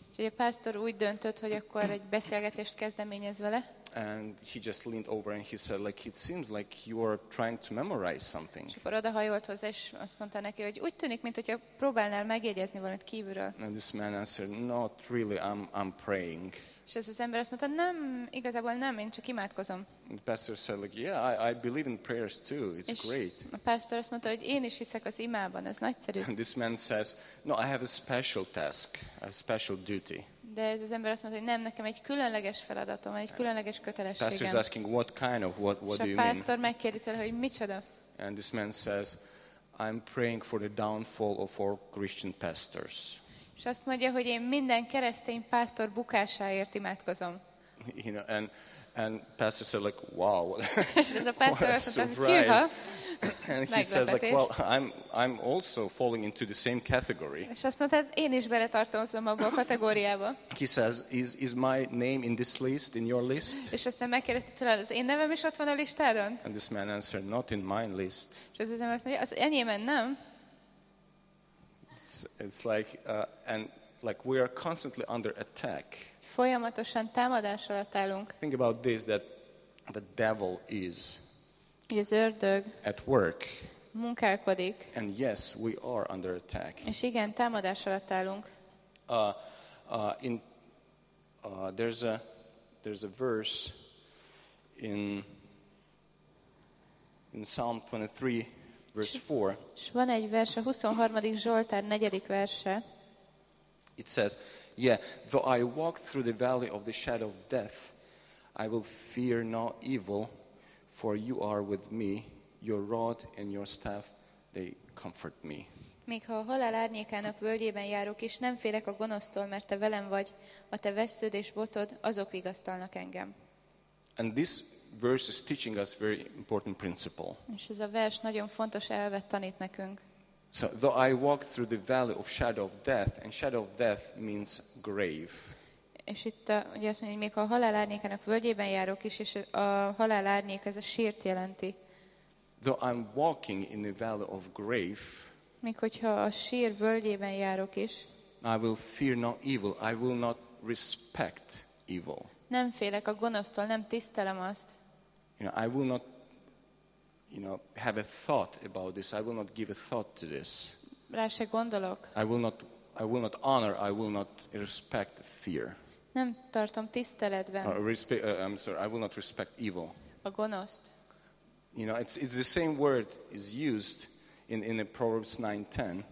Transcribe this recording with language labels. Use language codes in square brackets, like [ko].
[hu] A pastor úgy döntött, hogy akkor egy beszélgetést kezdeményez vele. [en] And he just leaned over and he said, like, it seems like you are trying to memorize something. [hu] És akkor odahajolt hozzá, és azt mondta neki, hogy úgy tűnik, mintha próbálnál megjegyezni valamit kívülről. [en] And this man answered, not really, I'm praying. [hu] És ez az ember azt mondta, nem, igazából nem, én csak imádkozom. [en] The pastor said, like, yeah, I believe in prayers too, it's [hu] és [en] great. [hu] A pastor azt mondta, hogy én is hiszek az imában, ez nagyszerű. [en] And this man says, no, I have a special task, a special duty. [hu] De ez az ember azt mondta, hogy nem, nekem egy különleges feladatom, egy különleges kötelességem. [en] Pastor is asking, what kind of, what do you mean? [hu] És a pastor megkérdi tőle, hogy micsoda. [en] And this man says, I'm praying for the downfall of all Christian pastors. [hu] És azt mondja, hogy én minden keresztény pásztor bukásáért imádkozom. [en] You know, and pastor said, like, wow. [hu] És ez a pásztor azt mondta, hogy hűha. [en] And he says, like, well, I'm also falling into the same category. [hu] És azt mondta, én is beletartozom abba a kategóriába. [en] He says, is my name in this list, in your list? [hu] És aztán megkérdezte tőled, az én nevem is ott van a listádon? [en] And this man answered, not in my list. [hu] És az ember azt mondja, az enyémen nem. [en] It's like, and like we are constantly under attack. [hu] Folyamatosan támadás alatt állunk. [en] Think about this, that the devil is [hu] az ördög [en] at work. [hu] Munkálkodik. [en] And yes, we are under attack. [hu] És igen, támadás alatt állunk. [en] There's a verse in Psalm 23 verse 4. [hu] És van egy verse, 23. Zsoltár 4. verse. [en] It says, yeah, though I walk through the valley of the shadow of death, I will fear no evil, for you are with me, your rod and your staff, they comfort me. [hu] Még ha a halál árnyékának völgyében járok, és nem félek a gonosztól, mert te velem vagy, a te vesződ és botod, azok vigasztalnak engem. [en] And this verse is teaching us very important principle. [hu] És ez a vers nagyon fontos elvet tanít nekünk. [en] So though I walk through the valley of shadow of death, and shadow of death means grave. [hu] És itt ugye azt mondja, hogy még ha a halál árnyékának völgyében járok is, és a halál árnyék ez a sírt jelenti. [en] Though I'm walking in the valley of grave, [hu] még hogyha a sír völgyében járok is, [en] I will fear no evil, I will not respect evil. [hu] Nem félek a gonosztól, nem tisztelem azt. [en] You know, I will not, you know, have a thought about this. I will not give a thought to this. [hu] Rá se gondolok. [en] I will not honor, I will not respect fear. [hu] Nem tartom tiszteletben. [en] I will not respect evil. [hu] A gonoszt. [en] You know, it's the same word is used in the Proverbs 9:10.